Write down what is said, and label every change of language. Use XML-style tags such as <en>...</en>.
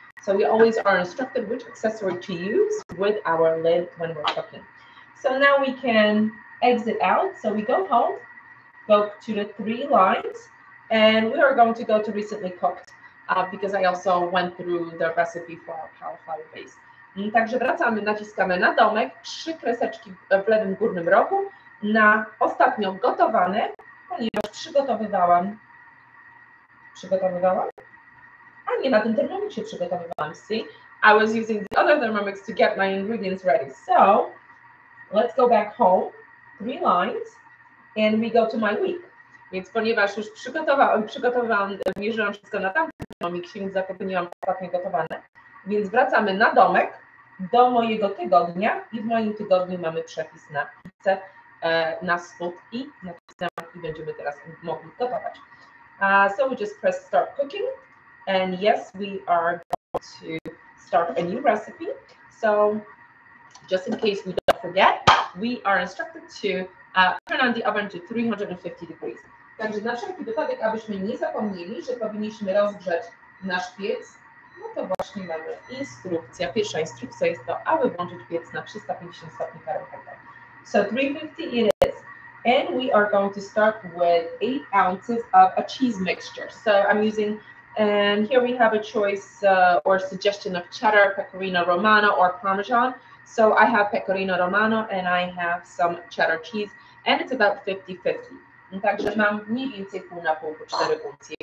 <en>So we always are instructed which accessory to use with our lid when we're cooking. So now we can exit out. So we go home, go to the three lines, and we are going to go to recently cooked because I also went through the recipe for our cauliflower base.</en> <pl>Także wracamy, naciskamy na domek, trzy kreseczki w lewym górnym rogu, na ostatnio gotowane, ponieważ przygotowywałam? A nie, na tym Thermomixie przygotowywałam,</pl> <en>see? I was using the other Thermomix to get my ingredients ready. So, let's go back home, three lines, and we go to my week.</en> <pl>Więc ponieważ już przygotowywałam, mierzyłam wszystko na tamtym Thermomixie, więc zapewniłam ostatnio gotowane, więc wracamy na domek, do mojego tygodnia i w moim tygodniu mamy przepis na pizzę, na spód i na pizzę i będziemy teraz mogli gotować.</pl> <en>So we just press start cooking and yes, we are going to start a new recipe. So just in case we don't forget, we are instructed to turn on the oven to 350 degrees.</en> <pl>Także na wszelki wypadek, abyśmy nie zapomnieli, że powinniśmy rozgrzać nasz piec, no to właśnie mamy instrukcję. Pierwsza instrukcja jest to, aby włączyć piec na 350 stopni Fahrenheit.</pl> <en>So 350 it is. And we are going to start with 8 ounces of a cheese mixture. So I'm using, and here we have a choice or suggestion of cheddar, pecorino romano or parmesan. So I have pecorino romano and I have some cheddar cheese and it's about 50-50.</en> <pl>Także mam mniej więcej pół na pół, po 4 uncje.</pl>